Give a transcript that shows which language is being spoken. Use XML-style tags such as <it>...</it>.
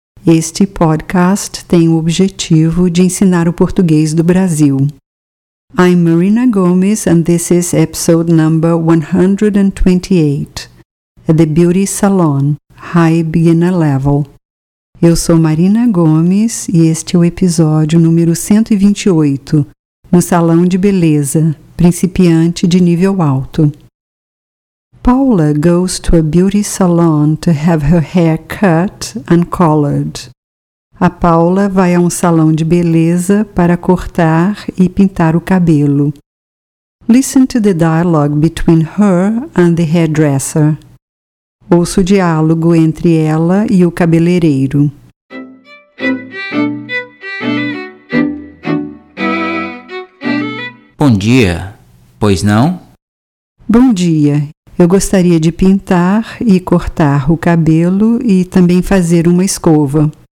<pt>Este podcast tem o objetivo de ensinar o português do Brasil.</pt> <en>I'm Marina Gomes and this is episode number 128. At the Beauty Salon, High Beginner Level.</en> <pt>Eu sou Marina Gomes e este é o episódio número 128. No Salão de Beleza, Principiante de Nível Alto.</pt> <en>Paula goes to a beauty salon to have her hair cut and colored.</en> <pt>A Paula vai a um salão de beleza para cortar e pintar o cabelo.</pt> <en>Listen to the dialogue between her and the hairdresser.</en> <pt>Ouça o diálogo entre ela e o cabeleireiro. Bom dia, pois não? Bom dia, eu gostaria de pintar e cortar o cabelo e também fazer uma escova.</pt>